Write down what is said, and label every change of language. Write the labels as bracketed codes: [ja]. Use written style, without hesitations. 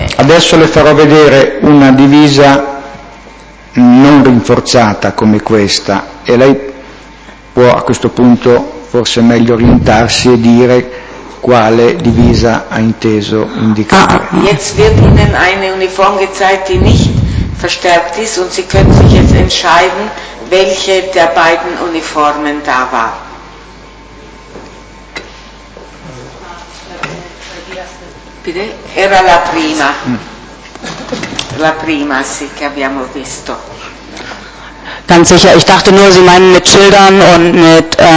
[it] Adesso le farò vedere una divisa non rinforzata come questa e lei può a questo punto forse meglio orientarsi e dire quale divisa ha inteso indicare. [de] Jetzt wird Ihnen eine Uniform gezeigt, die nicht verstärkt ist und Sie können sich jetzt entscheiden, welche der beiden Uniformen da war. [it] Era la prima. La prima, sì, che abbiamo visto. [de] Ganz sicher, ich dachte nur, Sie meinen mit Schildern und mit